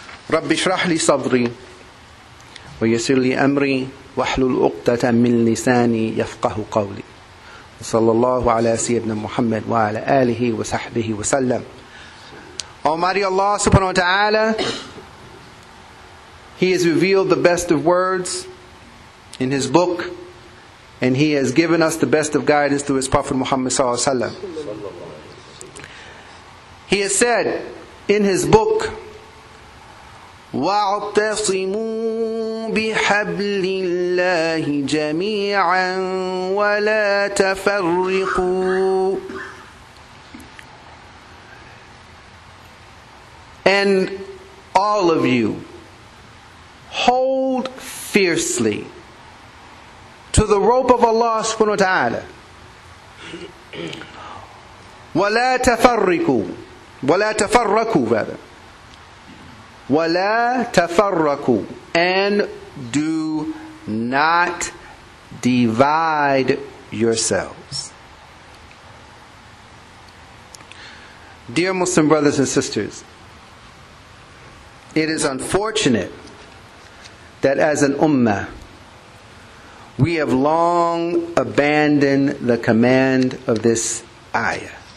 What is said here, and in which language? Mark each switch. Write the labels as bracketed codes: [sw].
[ar] رب اشرح لي صدري ويسر لي امري واحلل عقدة من لساني يفقهوا قولي صلى الله على سيدنا محمد وعلى اله وصحبه وسلم. [en] Almighty Allah subhanahu wa ta'ala, He has revealed the best of words in His book, and He has given us the best of guidance through His Prophet Muhammad sallallahu alaihi wasallam. He has said in His book, [ar] وَاعْتَصِمُوا بِحَبْلِ اللَّهِ جَمِيعًا وَلَا تَفَرِّقُوا. [en] And all of you, hold fiercely to the rope of Allah subhanahu wa ta'ala. [ar] وَلَا تَفَرِّقُوا وَلَا تَفَرَّقُوا [en] rather. [ar] وَلَا تَفَرَّقُوا, [en] and do not divide yourselves. Dear Muslim brothers and sisters, it is unfortunate that as an ummah, we have long abandoned the command of this ayah.